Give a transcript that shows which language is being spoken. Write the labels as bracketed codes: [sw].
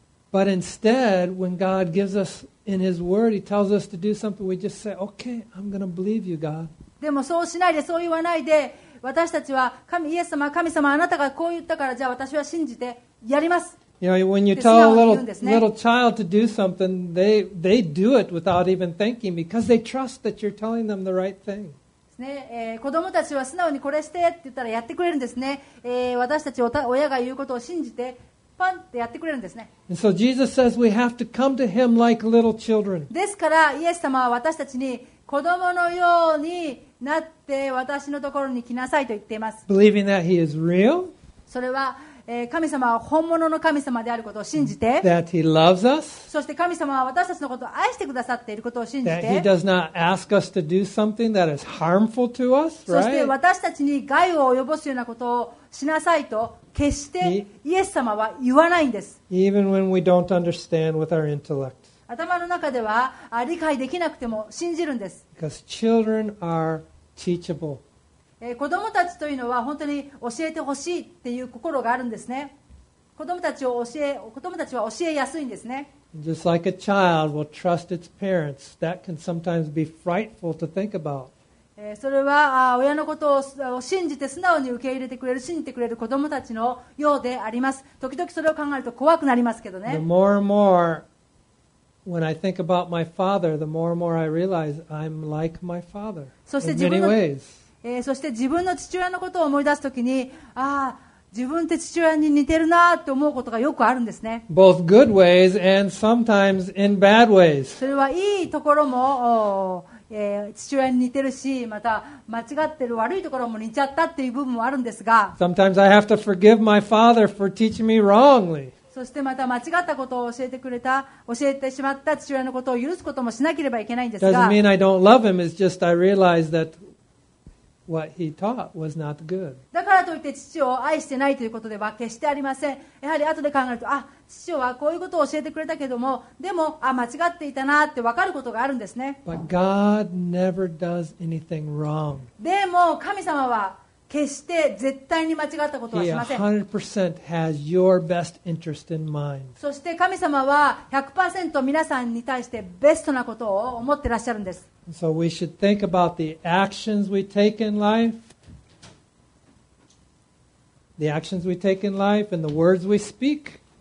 [en] But instead, when God gives us in His Word, He tells us to do something, we just say, okay, I'm going to believe you, God. [ja] でもそうしないで、そう言わないで、私たちは神、イエス様、神様、あなたがこう言ったから、じゃあ私は信じてやります。 [en] You know, when you tell a little child to do something, they do it without even thinking because they trust that you're telling them the right thing. [ja] 子供たちは素直にこれしてって言ったらやってくれるんですね。私たち親が言うことを信じて、パンってやってくれるんですね。 [en] And so Jesus says we have to come to him like little children. [ja] ですから、イエス様は私たちに子供のようになって私のところに来なさいと言っています。 [en] Believing that he is real? [ja] それは神様は本物の神様であることを信じて、 [en] That he loves us. [ja] そして神様は私たちのことを愛してくださっていることを信じて、 [en] That he does not ask us to do something that is harmful to us, right? [ja] そして私たちに害を及ぼすようなことをしなさいと決してイエス様は言わないんです。 [en] Even when we don't understand with our intellect. [ja] 頭の中では理解できなくても信じるんです。 [en] Because children are teachable. [ja] 子供たちというのは本当に教えてほしいっていう心があるんですね。子供たちは教えやすいんですね。 [en] Just like a child will trust its parents, that can sometimes be frightful to think about. [ja] それは親のことを信じて素直に受け入れてくれる、信じてくれる子供たちのようであります。時々それを考えると怖くなりますけどね。 [en] The more and more when I think about my father, the more and more I realize I'm like my father in many ways. [ja] そして自分の父親のことを思い出すときに、ああ、自分って父親に似てるなと思うことがよくあるんですね。 [en] Both good ways and sometimes in bad ways. [ja] それはいいところも、父親に似てるし、また間違ってる悪いところも似ちゃったっていう部分もあるんですが、 [en] Sometimes I have to forgive my father for teaching me wrongly. [ja] そしてまた間違ったことを教えてくれた、教えてしまった父親のことを許すこともしなければいけないんですが、 [en] Doesn't mean I don't love him, it's just I realize thatWhat he taught was not good. [ja] だからといって父を愛してないということでは決してありません。やはり後で考えると、あ、父はこういうことを教えてくれたけども、でも、あ、間違っていたなって分かることがあるんですね。 [en] But God never does anything wrong. [ja] でも神様は決して絶対に間違ったことはしません。 [en] He 100% has your best interest in mind. [ja] そして神様は 100% 皆さんに対してベストなことを思ってらっしゃるんです。 [en] So we should think about the actions we take in life, the actions we take in life, and the words we speak.